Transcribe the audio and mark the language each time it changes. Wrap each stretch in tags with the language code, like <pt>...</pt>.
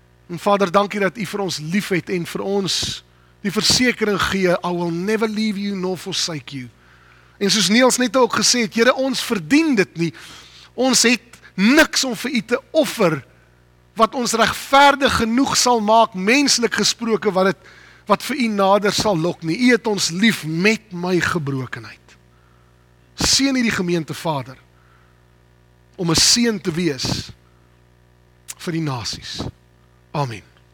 <af>En Vader, dankie dat u vir ons lief het en vir ons die versekering gee,</af> <en>I will never leave you nor forsake you.</en> <af>En soos Niels net ook gesê het, Here, ons verdien dit nie. Ons het niks om vir u te offer wat ons regverdig genoeg sal maak, menslik gesproke, wat vir u nader sal lok nie. U het ons lief met my gebrokenheid. Seën hierdie gemeente, Vader, om 'n seën te wees vir die nasies. Amen.</af>